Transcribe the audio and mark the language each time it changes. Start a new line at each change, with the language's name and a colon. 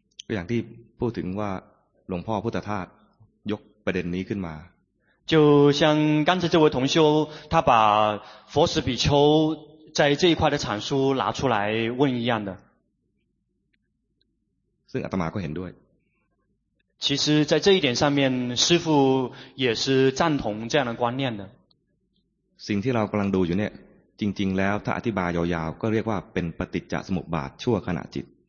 Thai: อย่างที่พูดถึงว่าหลวงพ่อพุทธทาสยกประเด็นนี้ขึ้นมา。
Chinese: 就像刚才这位同修，他把佛时比丘在这一块的阐述拿出来问一样的。
Thai: ซึ่งอาตมาก็เห็นด้วย。
Chinese: 其实在这一点上面，师父也是赞同这样的观念的。
Thai: สิ่งที่เรากำลังดูอยู่เนี่ยจริงๆแล้วถ้าอธิบายยาวๆก็เรียกว่าเป็นปฏิจจสมุปบาทชั่วขณะจิต。